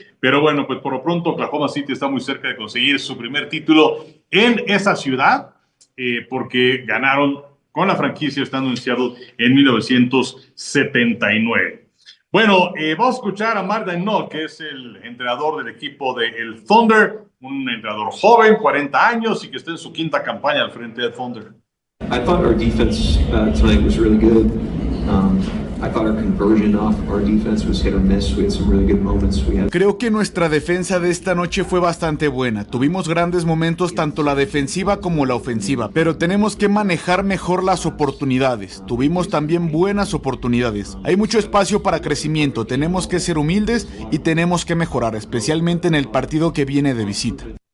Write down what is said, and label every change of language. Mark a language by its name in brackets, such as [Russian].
[Spanish] Pero bueno, pues por lo pronto Oklahoma City está muy cerca de conseguir su primer título en esa ciudad, porque ganaron con la franquicia estando en Seattle en 1979. Bueno, vamos a escuchar a Mark Daigneault, que es el entrenador del equipo de el Thunder, un entrenador joven, 40 años, y que está en su quinta campaña al frente del Thunder. [English] I thought our defense tonight was really good. I thought our conversion off our defense was hit or miss. We had some really good moments. [Spanish] Creo que nuestra defensa de esta noche fue bastante buena. Tuvimos grandes momentos, tanto la defensiva como la ofensiva, pero tenemos que manejar mejor las oportunidades. Tuvimos también buenas oportunidades. Hay mucho espacio para crecimiento. Tenemos que ser humildes y tenemos que mejorar, especialmente en el partido que viene de visita.